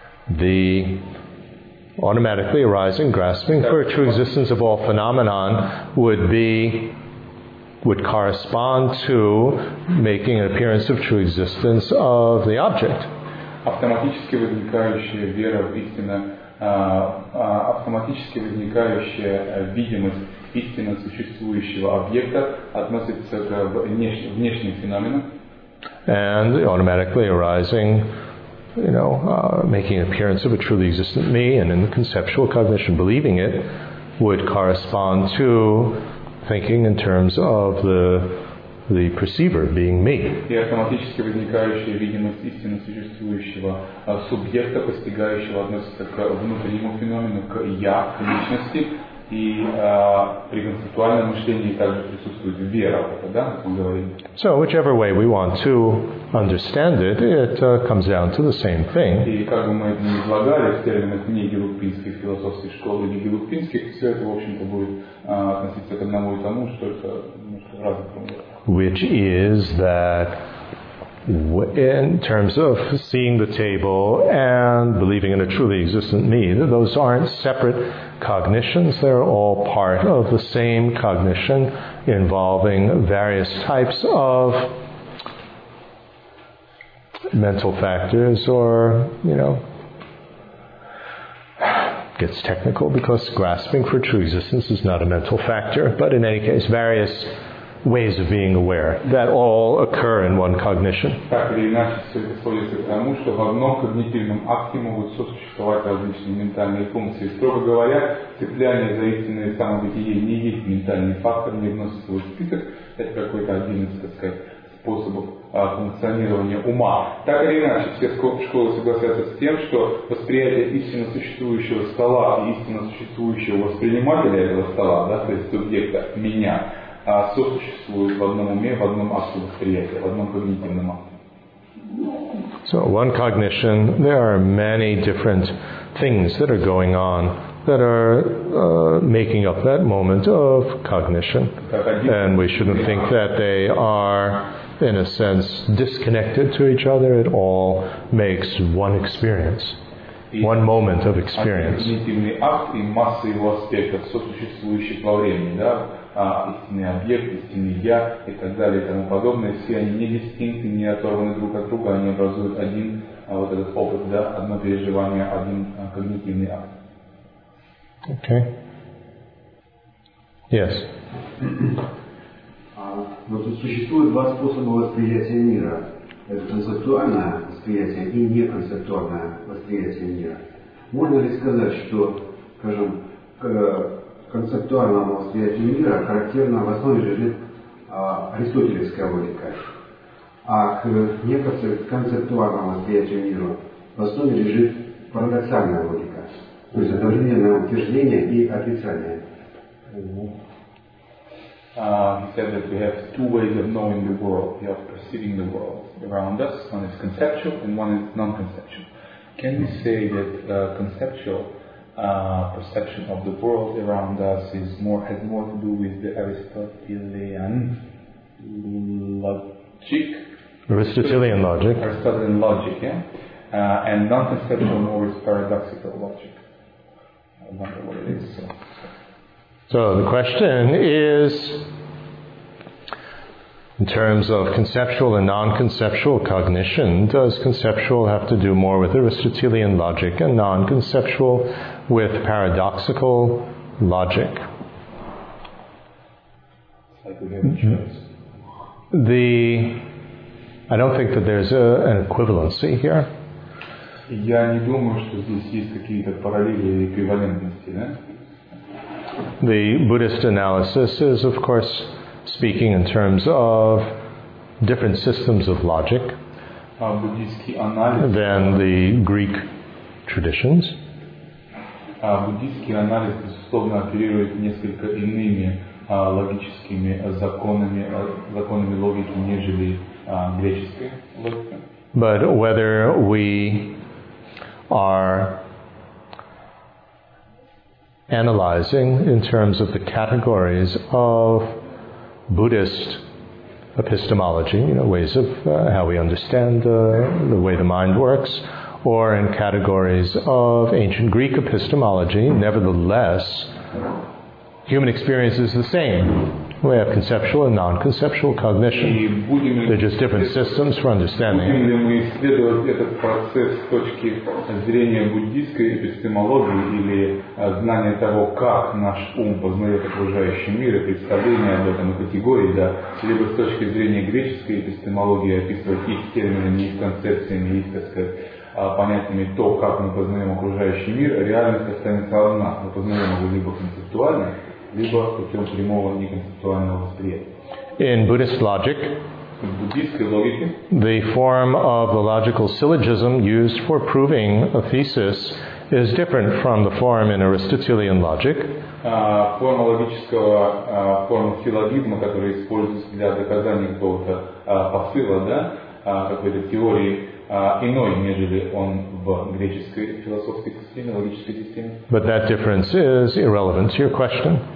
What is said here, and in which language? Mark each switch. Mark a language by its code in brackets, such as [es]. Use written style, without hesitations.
[en] the automatically arising grasping for a true existence of all phenomenon would correspond to making an appearance of true existence of the object. [ru] Автоматически возникающая вера в истину. Автоматически возникающая видимость истинно существующего объекта относится к внешним феноменам. [en] And automatically arising, you know, making an appearance of a truly existent me, and in the conceptual cognition believing it, would correspond to thinking in terms of the perceiver being me. [ru] И автоматически возникающая видимость истинно существующего субъекта, постигающего, относится к внутреннему феномену, к я, к личности, и при концептуальном мышлении также присутствует вера, да, как мы говорим. [en] So, whichever way we want to understand it, it comes down to the same thing. [ru] И как бы мы это ни излагали в терминах не гелупинских философской школы, не гелупинских, все это, в общем-то, будет относиться к одному и тому, что это немножко разные проблемы. [en] Which is that in terms of seeing the table and believing in a truly existent me, those aren't separate cognitions, they're all part of the same cognition involving various types of mental factors or, you know, gets technical because grasping for true existence is not a mental factor, but in any case, various ways of being aware that all occur in one cognition. [ru] Так или иначе, все это сводится к тому, что в одном когнитивном акте могут сосуществовать различные ментальные функции. Строго говоря, цепляние за истинное самобытие не есть ментальный фактор, не вносит свой список. Это какой-то один из, так сказать, способов функционирования ума. Так или иначе, все школы согласятся с тем, что восприятие истинно существующего стола и истинно существующего воспринимателя этого стола, да, то есть субъекта, меня, сосуществует в одном уме, в одном акте восприятия, в одном когнитивном акте. [en] So, one cognition, there are many different things that are going on that are making up that moment of cognition. And we shouldn't think that they are, in a sense, disconnected to each other. It all makes one experience, one moment of experience. [ru] Когнитивный акт и масса его аспектов, сосуществующих во времени, да? Истинный объект, истинный я и так далее и тому подобное, все они не дистинкты, не оторваны друг от друга, они образуют один вот этот опыт, да, одно переживание, один когнитивный акт. [en] Okay. Yes. [ru] Но тут существует два способа восприятия мира. Это концептуальное восприятие и неконцептуальное восприятие мира. Можно ли сказать, что, скажем, к концептуальному восприятию мира характерно в основе лежит аристотелевская логика, а к неконцептуальному восприятию мира в основе лежит парадоксальная логика, то есть одновременное утверждение и отрицание? [en] He said that we have two ways of knowing the world, we have perceiving the world around us, one is conceptual and one is non-conceptual. Can we say that conceptual perception of the world around us is more has more to do with the Aristotelian logic? Aristotelian logic. Aristotelian logic, yeah? And non-conceptual more is paradoxical logic. I wonder what it is. So the question is, in terms of conceptual and non-conceptual cognition, does conceptual have to do more with Aristotelian logic and non-conceptual with paradoxical logic? It's like we have a choice. I don't think that there's an equivalency here. [ru] Я не думаю, что здесь есть какие-то параллели или эквивалентности, да? [en] The Buddhist analysis is, of course, speaking in terms of different systems of logic than the Greek traditions. [ru] Буддийский анализ, безусловно, оперирует несколько иными логическими законами, законами логики, нежели греческая логика. [en] But whether we are analyzing in terms of the categories of Buddhist epistemology, you know, ways of how we understand the way the mind works, or in categories of ancient Greek epistemology, nevertheless, human experience is the same. We have conceptual and non-conceptual cognition. They're just different systems for understanding. [ru] Будем ли мы исследовать этот процесс с точки зрения буддийской эпистемологии или знания того, как наш ум познает окружающий мир и представление об этом и категории, да, либо с точки зрения греческой эпистемологии описывать их терминами, их концепциями, их, так сказать, понятиями то, как мы познаем окружающий мир, реальность останется одна. Мы познаем его либо концептуально, либо путем прямого неконцептуального восприятия. [en] In Buddhist logic, [ru] в буддийской логике, [en] the form of the logical syllogism used for proving a thesis is different from the form in Aristotelian logic. [ru] Форма логического, форма силлогизма, которая используется для доказания какого-то посыла, да, какой-то теории, иной, нежели он в греческой философской системе, логической системе. [en] But that difference is irrelevant to your question.